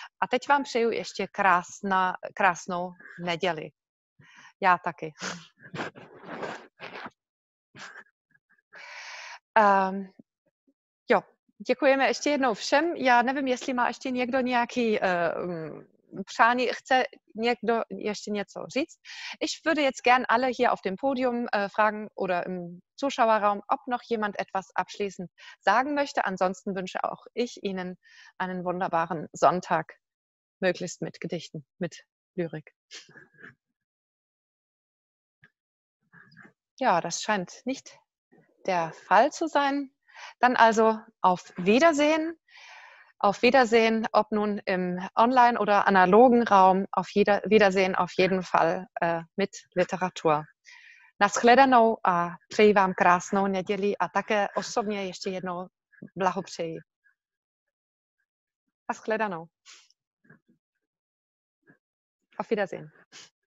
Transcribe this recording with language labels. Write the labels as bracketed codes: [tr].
[cs] A teď vám přeju ještě krásnou neděli. Já taky. Jo, děkujeme ještě jednou všem. Já nevím, jestli má ještě někdo nějaký přání, chce někdo ještě něco říct. [de] Ich würde jetzt gern alle hier auf dem Podium fragen oder im Zuschauerraum, ob noch jemand etwas abschließend sagen möchte. Ansonsten wünsche auch ich Ihnen einen wunderbaren Sonntag, möglichst mit Gedichten, mit Lyrik. Ja, das scheint nicht der Fall zu sein. Dann also auf Wiedersehen. Auf Wiedersehen, ob nun im online oder analogen Raum, auf Wiedersehen auf jeden Fall mit Literatur. [cs] Naschledanou a přeji vám krásnou neděli a také osobně ještě jednou blahopřeji. Naschledanou. [de] Auf Wiedersehen.